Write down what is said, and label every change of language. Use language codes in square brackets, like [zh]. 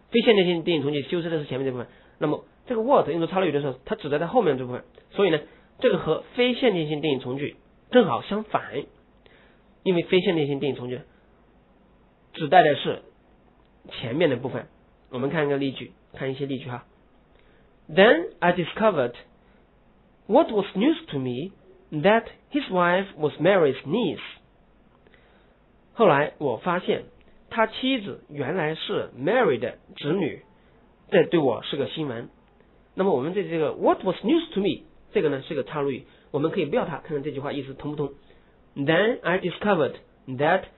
[zh] 非限定性定语从句修饰的是前面的部分。那么这个 what 用作插入语的时候，它指代在后面的部分，所以呢，这个和非限定性定语从句正好相反。因为非限定性定语从句指代的是前面的部分。我们看一个例句，看一些例句哈。 [en] Then I discovered what was news to me that his wife was Mary's niece. [zh] 后来我发现他妻子原来是 Mary 的侄女，这对我是个新闻。那么我们在这个 [en] What was news to me [zh] 这个呢是个插入语，我们可以不要它，看看这句话意思通不通。 [en] Then I discovered that